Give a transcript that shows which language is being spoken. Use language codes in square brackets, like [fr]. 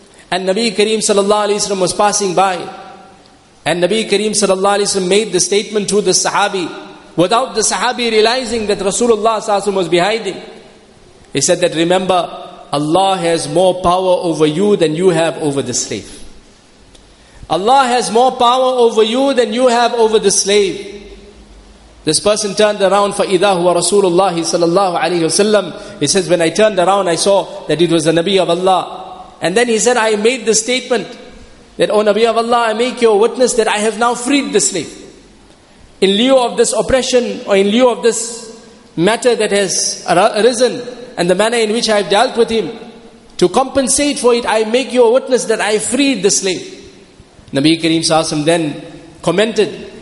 [en] And Nabi Kareem sallallahu alaihi wasallam was passing by. And Nabi Kareem sallallahu alaihi wasallam made the statement to the sahabi, without the sahabi realizing that Rasulullah sallallahu alaihi wasallam was behind him. He said that, remember, Allah has more power over you than you have over the slave. Allah has more power over you than you have over the slave. This person turned around, [ar] فَإِذَا هُوَ رَسُولُ اللَّهِ صَلَى اللَّهُ عَلَيْهِ وَسَلَّمُ. [en] He says, when I turned around, I saw that it was the Nabi of Allah. And then he said, I made the statement that, O Nabi of Allah, I make your witness that I have now freed the slave. In lieu of this oppression, or in lieu of this matter that has arisen, and the manner in which I have dealt with him, to compensate for it, I make your witness that I freed the slave. Nabi Kareem Sallallahu Alaihi Wasallam then commented,